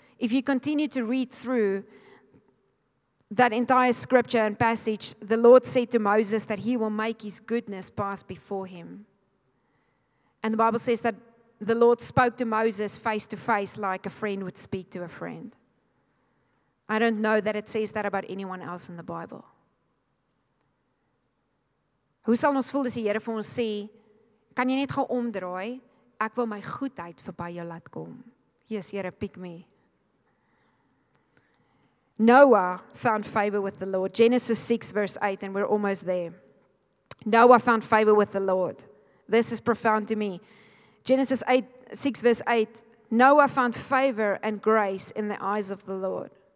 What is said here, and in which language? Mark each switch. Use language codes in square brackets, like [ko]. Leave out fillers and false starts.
[en] If you continue to read through that entire scripture and passage, the Lord said to Moses that he will make his goodness pass before him. And the Bible says that the Lord spoke to Moses face to face like a friend would speak to a friend. I don't know that it says that about anyone else in the Bible. [af] Hoe sal ons voel as die Here vir ons sê, kan jy net gaan omdraai? Ek wil my goedheid verby jou laat kom. [en] Yes, Here, pick me. Noah found favor with the Lord. Genesis 6, verse 8, and we're almost there. Noah found favor with the Lord. This is profound to me. Genesis 8, 6, verse 8, Noah found favor and grace in the eyes of the Lord.